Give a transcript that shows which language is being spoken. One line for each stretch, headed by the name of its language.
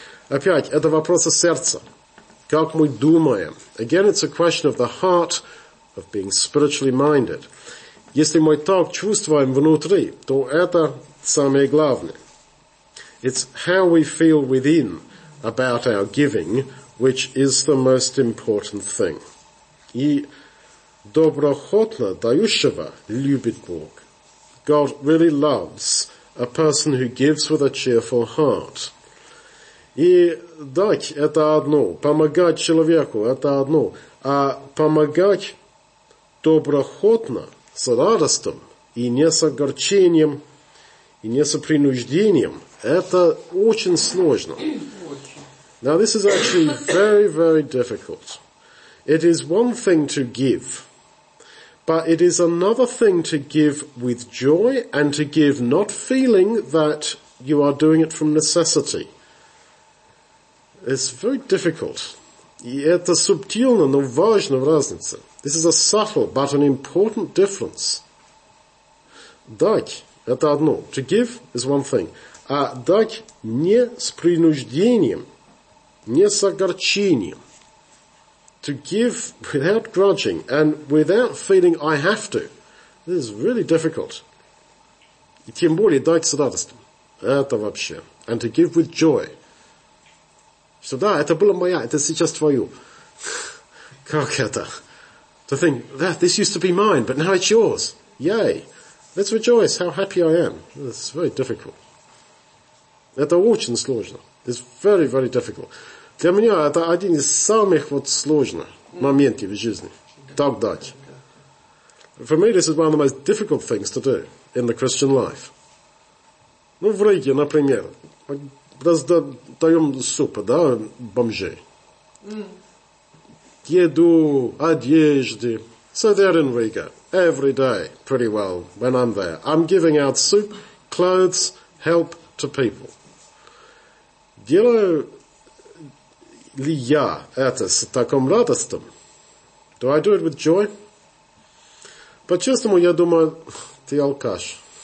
Russian: Опять, это вопрос сердца. Как мы думаем?
English: Again, it's a question of the heart, of being spiritually minded.
Russian: Если мы так чувствуем внутри, то это самое главное.
English: It's how we feel within about our giving, which is the most important thing.
Russian: И доброхотно дающего любит Бог.
English: God really loves a person who gives with a cheerful heart.
Russian: И дать – это одно. Помогать человеку – это одно. А помогать доброхотно, с радостью и не с огорчением, и не с принуждением – это очень сложно.
English: Now, this is actually very, very difficult. It is one thing to give, but it is another thing to give with joy and to give not feeling that you are doing it from necessity. It's very difficult.
Russian: И это субтильно, но важно в разнице.
English: This is a subtle but an important difference.
Russian: Дать – это одно.
English: To give is one thing.
Russian: А дать не с принуждением, не с огорчением.
English: To give without grudging and without feeling I have to. This is really difficult.
Russian: И тем более дать с радостью. Это вообще.
English: And to give with joy.
Russian: Что да, это было моя, это сейчас твою. Как это?
English: To think, that this used to be mine, but now it's yours. Yay. Let's rejoice, how happy I am. It's very difficult.
Russian: Это очень сложно.
English: It's very, very difficult.
Russian: Для меня это один из самых вот сложных моментов в жизни. Так дать.
English: For me, this is one of the most difficult things to do in the Christian life.
Russian: Ну, в Риге, например, раздаем супа, да, бомжей. Еду, одежды.
English: So there in Riga, every day, pretty well, when I'm there. I'm giving out soup, clothes, help to people.
Russian: Делаю ли я это с таком радостью?
English: Do I do it with joy?
Russian: По-честному, я думаю, ты алкаш.